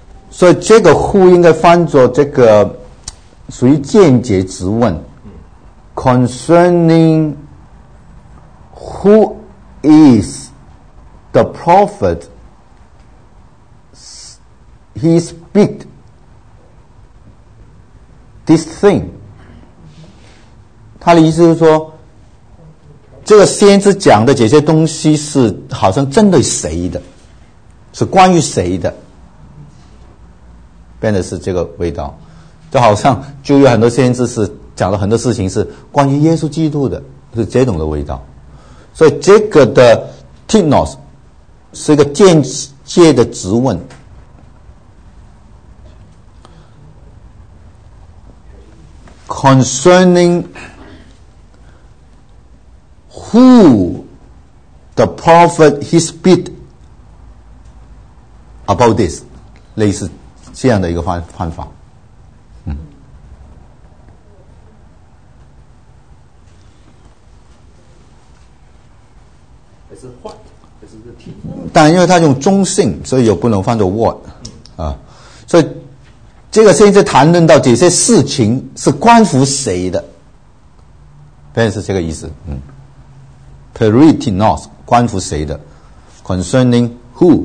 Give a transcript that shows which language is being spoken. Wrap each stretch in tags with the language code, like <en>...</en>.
<zh>所以这个 who 应该翻作这个属于间接质问。</zh> <en>Concerning who is the prophet？ He speak this thing。</en> <zh>他的意思是说，这个先知讲的这些东西是好像针对谁的，是关于谁的，变得是这个味道。就好像旧约很多先知是讲了很多事情是关于耶稣基督的，是这种的味道。所以这个的 tinos 是一个间接的质问。</zh> <en>Concerning who the prophet he speak about this，</en> <zh>类似这样的一个方法。嗯，但因为它用中性，所以又不能放作 what 啊，所以这个现在谈论到这些事情是关乎谁的，便是这个意思。嗯 ，peritinos 关乎谁的 ？</zh> <en>Concerning who？</en>